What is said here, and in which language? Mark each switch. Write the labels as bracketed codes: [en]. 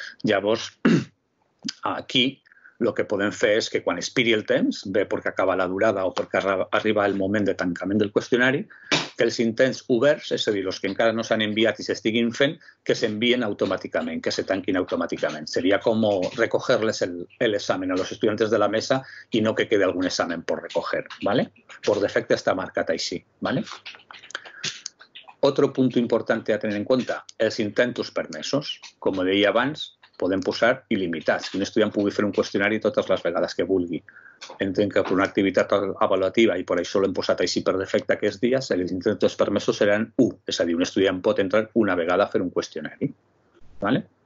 [ca] Llavors, aquí el que podem fer és que quan expiri el temps, bé perquè acaba la durada o perquè arriba el moment de tancament del qüestionari, que els intents oberts, és a dir, els que encara no s'han enviat i s'estiguin fent, que s'envien automàticament, que se tanquin automàticament. [es] Seria com recoger-les l'examen a los estudiantes de la mesa i no que quede algun examen por recoger. ¿Vale? [ca] Por defecte està marcat així. ¿Vale? [es] Otro punto importante a tener en cuenta, els intentos permesos. [ca] Com deia abans, podem posar il·limitats. Un estudiant pugui fer un qüestionari totes les vegades que vulgui. Entenc que per una activitat avaluativa, i per això l'hem posat així per defecte aquests dies, els intents permesos seran 1. És a dir, un estudiant pot entrar una vegada a fer un qüestionari. ¿Vale?